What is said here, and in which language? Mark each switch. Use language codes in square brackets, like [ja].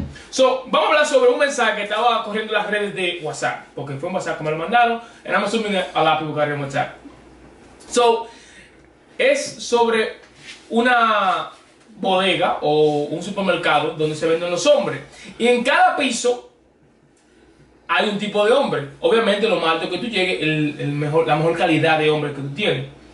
[es] So, vamos a hablar sobre un mensaje que estaba corriendo en las redes de WhatsApp. Porque fue un WhatsApp que me lo mandaron. [en] And I'm assuming that a lot of people got it on WhatsApp. [es] So, es sobre una bodega o un supermercado donde se venden los hombres. Y en cada piso hay un tipo de hombre. Obviamente, lo más alto que tú llegues, la mejor calidad de hombre que tú tienes.